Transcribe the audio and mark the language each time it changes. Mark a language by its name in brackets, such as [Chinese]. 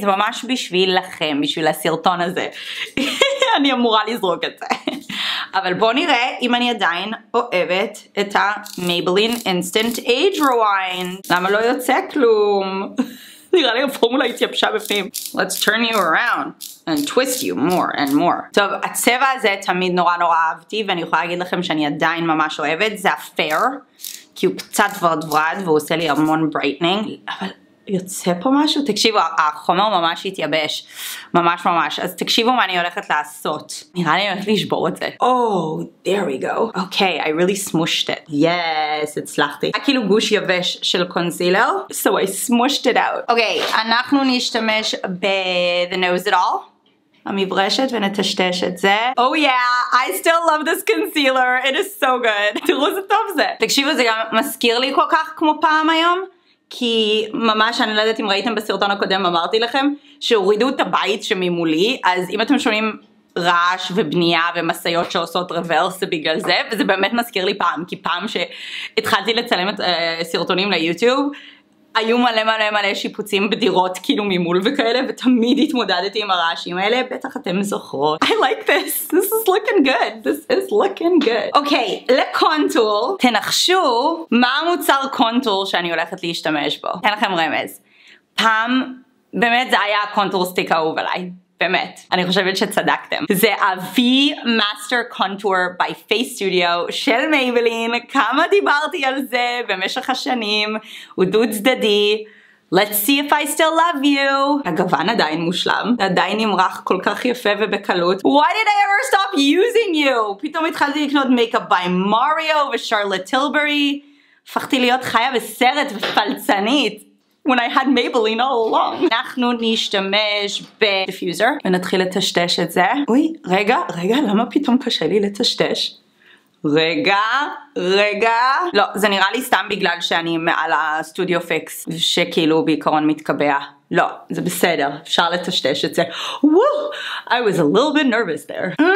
[Hebrew] זה ממש בשבילכם, בשביל הסרטון הזה. אני אמורה לזרוק את זה. אבל בואו נראה אם אני עדיין אוהבת את ה-Maybelline Instant Age Rewind. למה לא יוצא כלום? נראה לי הפורמולה התייבשה בפנים. [English] Let's turn you around and twist you more and more. [Hebrew] טוב, הצבע הזה תמיד נורא נורא אהבתי, ואני יכולה להגיד לכם שאני עדיין ממש אוהבת, זה הפייר, כי הוא קצת ורדורד והוא עושה לי המון ברייטנינג, אבל יוצא פה משהו? תקשיבו, החומר ממש התייבש, ממש ממש, אז תקשיבו מה אני הולכת לעשות. נראה לי אני הולכת לשבור את זה. [English] Oh, there we go. Okay, I really smooshed it. [Hebrew] Yes, הצלחתי. היה כאילו גוש יבש של קונסילר, [English] so I smooshed it out. [Hebrew] Okay, אנחנו נשתמש ב-The Nose It All. המברשת ונטשטש את זה. [English] Oh yeah, I still love this concealer. It is so good. [Hebrew] תראו זה טוב זה. תקשיבו, זה גם מזכיר לי כל כך כמו פעם היום. כי ממש, אני לא יודעת אם ראיתם בסרטון הקודם, אמרתי לכם שהורידו את הבית שממולי, אז אם אתם שומעים רעש ובנייה ומסעיות שעושות רוורס בגלל זה, וזה באמת מזכיר לי פעם, כי פעם שהתחלתי לצלם את סרטונים ליוטיוב, היו מלא מלא מלא שיפוצים בדירות כאילו ממול וכאלה, ותמיד התמודדתי עם הרעשים האלה, בטח אתם זוכרות. [English] I like this, this is looking good, this is looking good. [Hebrew] אוקיי, לקונטור, תנחשו מה המוצר קונטור שאני הולכת להשתמש בו. אין לכם רמז. פעם, באמת זה היה הקונטור סטיק האהוב עליי. באמת, אני חושבת שצדקתם. זה ה-V Master Contour by Face Studio של Maybelline. כמה דיברתי על זה במשך השנים. הוא דו צדדי. [English] Let's see if I still love you. [Hebrew] הגוון עדיין מושלם. עדיין נמרח כל כך יפה ובקלות. [English] Why did I ever stop using you? [Hebrew] פתאום התחלתי לקנות מייקאפ by Mario ושרלוט טילברי. הפכתי להיות חיה בסרט ופלצנית. [English] When I had Maybelline all along. [Hebrew] אנחנו נשתמש בדיפיוזר ונתחיל לטשטש את זה. אוי, רגע, רגע, למה פתאום קשה לי לטשטש? רגע, רגע. לא, זה נראה לי סתם בגלל שאני מעל הסטודיו פיקס שכאילו בעיקרון מתקבע. לא, זה בסדר, אפשר לטשטש את זה. [English] I was a little bit nervous there.